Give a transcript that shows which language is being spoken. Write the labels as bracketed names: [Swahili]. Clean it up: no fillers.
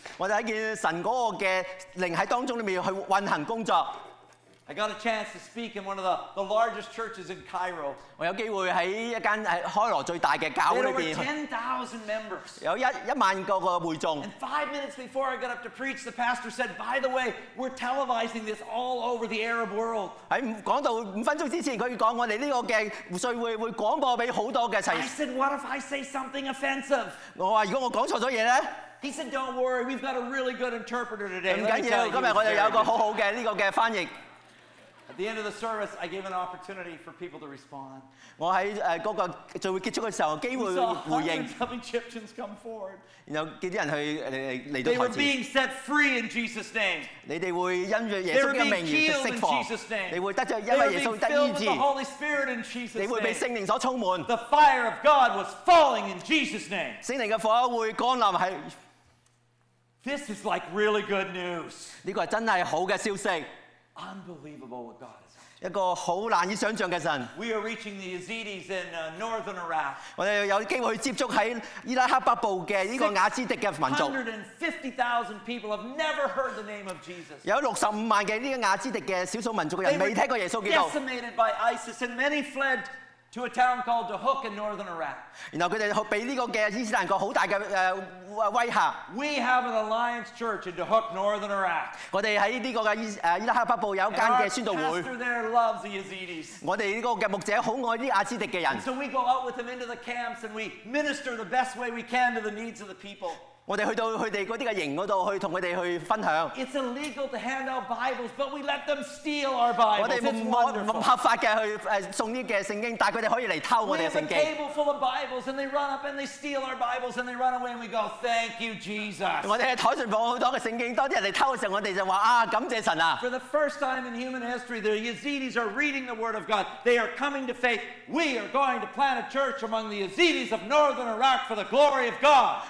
[Cantonese] 我睇見神嗰個嘅靈喺當中裏面去運行工作。 [English] I got a chance to speak in one of the largest churches in Cairo. [Cantonese] 我有機會喺一間喺開羅最大嘅教會裏邊。 [English] There were 10,000 members. [Cantonese] 有一萬個嘅會眾。 [English] And 5 minutes before I got up to preach, the pastor said, "By the way, we're televising this all over the Arab world." [Cantonese] 喺講到5分鐘之前，佢講我哋呢個嘅聚會會廣播俾好多嘅世。 [English] I said, "What if I say something offensive?" [Cantonese] 我話如果我講錯咗嘢咧。 [English] He said, "Don't worry, we've got a really good interpreter today." [Cantonese] 唔緊要，今日我哋有個好好嘅呢個嘅翻譯。 [English] At the end of the service, I gave an opportunity for people to respond. [Cantonese] 我喺嗰個聚會結束嘅時候，機會回應。 [English] We saw hundreds of Egyptians come forward. [Cantonese] 然後幾啲人去嚟到台前。 [English] They were being set free in Jesus' name. [Cantonese] 你哋會因著耶穌嘅名而釋放。 [English] They were being healed in Jesus' name. [Cantonese] 你會得著因為耶穌得醫治。 [English] They were being filled with the Holy Spirit in Jesus' name. [Cantonese] 你會被聖靈所充滿。 [English] The fire of God was falling in Jesus' name. [Cantonese] 聖靈嘅火會降臨喺。 [English] This is like really good news. [Cantonese] 呢個真係好嘅消息。 [English] Unbelievable what God is doing. [Cantonese] 一個好難以想像嘅神。 [English] We are reaching the Yazidis in northern Iraq. [Cantonese] 我哋有機會去接觸喺伊拉克北部嘅呢個雅茲迪嘅民族。 [English] 650,000 people have never heard the name of Jesus. [Cantonese] 有650,000嘅呢個雅茲迪嘅少數民族嘅人未聽過耶穌基督。 [English] Decimated by ISIS and many fled to a town called Duhok in northern Iraq. [Cantonese] 然後佢哋被呢個嘅伊斯蘭國好大嘅威嚇。 [English] We have an alliance church in Duhok, northern Iraq. [Cantonese] 我哋喺呢個嘅伊拉克北部有一間嘅宣道會。 [English] Pastor there loves the Yazidis. [Cantonese] 我哋呢個嘅牧者好愛啲亞茲迪嘅人。 [English] So we go out with them into the camps and we minister the best way we can to the needs of the people. [Cantonese] 我哋去到佢哋嗰啲嘅營嗰度，去同佢哋去分享。 [English] It's illegal to hand out Bibles, but we let them steal our Bibles. [Cantonese] 我哋唔合法嘅去送呢嘅聖經，但係佢哋可以嚟偷我哋嘅聖經。 [English] We have a table full of Bibles, and they run up and they steal our Bibles, and they run away, and we go, "Thank you, Jesus." [Cantonese] 我哋喺台上放好多嘅聖經，當啲人嚟偷嘅時候，我哋就話啊，感謝神啊！ [English] For the first time in human history, the Yazidis are reading the Word of God. They are coming to faith. We are going to plant a church among the Yazidis of northern Iraq for the glory of God.